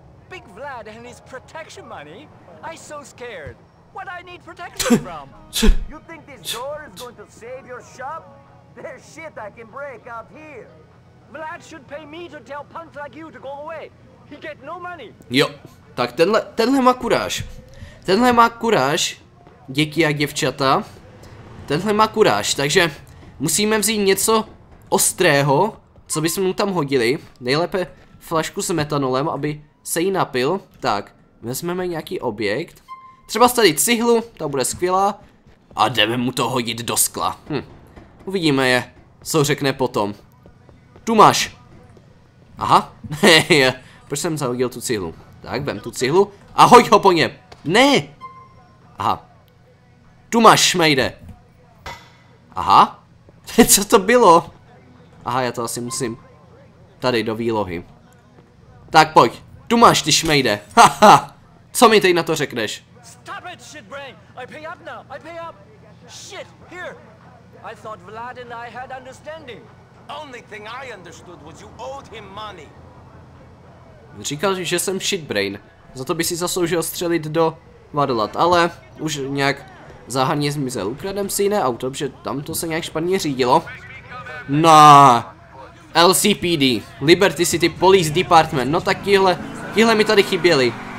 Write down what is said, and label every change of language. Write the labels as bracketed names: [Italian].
[English] Big Vlad and his protection money? I'm so scared. What I need protection from? You think this door is going to save your shop? There's shit I can break out here. Vlad should pay me to tell punks like you to go away. He get no money. [Czech] Jo, tak tenhle má kuráž. Tenhle má kuráž, děti a děvčata. Tenhle má kuráž, takže musíme vzít něco ostrého, co bychom mu tam hodili. Nejlépe flašku s metanolem, aby se jí napil. Tak, vezmeme nějaký objekt. Třeba tady cihlu, ta bude skvělá. A jdeme mu to hodit do skla. Uvidíme je, co řekne potom. Tu máš. Aha, proč jsem zahodil tu cihlu? Tak, vem tu cihlu a hoď ho po něm. Ne! Aha. Tu máš, šmejde. Aha. Co to bylo? Aha, já to asi musím tady do výlohy. Tak pojď, tu máš, ty šmejde. Haha, co mi teď na to řekneš? [English] Stop it, shit brain! I pay up now, I pay up! Shit, here! I thought Vlad and I had understanding. Only thing I understood was you owed him money. [Czech] Říkal, že jsem [English] shit brain. [Czech] Za to by si zasloužil střelit do Vadlat, ale už nějak záhadně zmizel. Ukradem si jiné auto, protože tam to se nějak špatně řídilo. No, LCPD, Liberty City Police Department, no tak tihle mi tady chyběli.